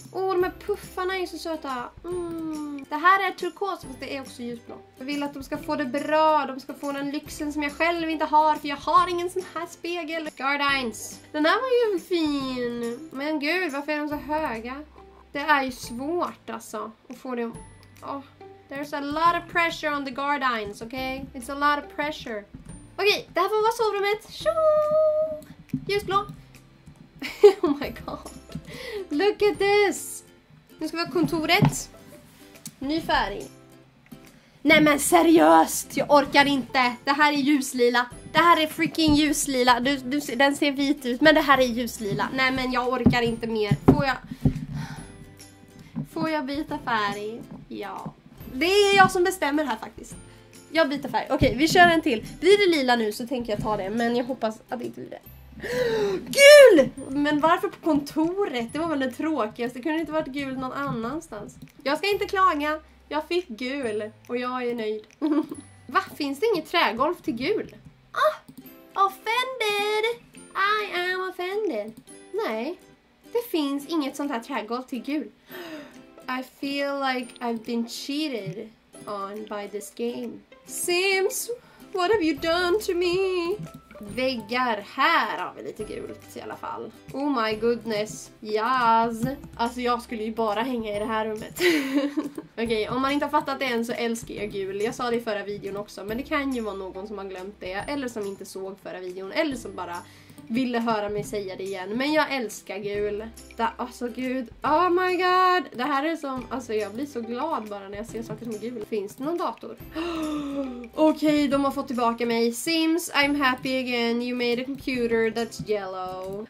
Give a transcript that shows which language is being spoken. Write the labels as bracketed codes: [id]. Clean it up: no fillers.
[sv] Åh, de här puffarna är så söta. Det här är turkos, men det är också ljusblått. Jag vill att de ska få det bra. De ska få den lyxen som jag själv inte har. För jag har ingen sån här spegel. Gardines. Den här var ju fin. Men gud, varför är de så höga? Det är ju svårt, alltså. Att få dem... Oh. [en] There's a lot of pressure on the gardines, okay? It's a lot of pressure. [sv] Okej, det här får vara sovrummet. Tjoo! Ljusblå. [en] Oh my god. Look at this. [sv] Nu ska vi ha kontoret. Ny färg. Nej men seriöst. Jag orkar inte. Det här är ljuslila. Det här är freaking ljuslila. Den ser vit ut. Men det här är ljuslila. Nej men jag orkar inte mer. Får jag byta färg? Ja. Det är jag som bestämmer här faktiskt. Jag byter färg. Okej, vi kör en till. Blir det lila nu så tänker jag ta det. Men jag hoppas att det inte blir det. Gul! Men varför på kontoret? Det var väl det tråkigaste. Det kunde inte varit gul någon annanstans. Jag ska inte klaga. Jag fick gul. Och jag är nöjd. Va? Finns det inget trägolv till gul? [en] Ah! Offended! I am offended. Nej. [sv] Det finns inget sånt här trägolv till gul. [en] I feel like I've been cheated on by this game. Sims, what have you done to me? [sv] Väggar, här har vi lite gult i alla fall. [en] Oh my goodness, yes. [sv] Alltså jag skulle ju bara hänga i det här rummet. Okej, om man inte har fattat det än så älskar jag gul. Jag sa det i förra videon också, men det kan ju vara någon som har glömt det. Eller som inte såg förra videon, eller som bara ville höra mig säga det igen. Men jag älskar gul. Alltså gud, [en] oh my god. [sv] Det här är som, alltså jag blir så glad bara när jag ser saker som är gul. Finns det någon dator? Okej, de har fått tillbaka mig. [en] Sims, I'm happy again. You made a computer that's yellow.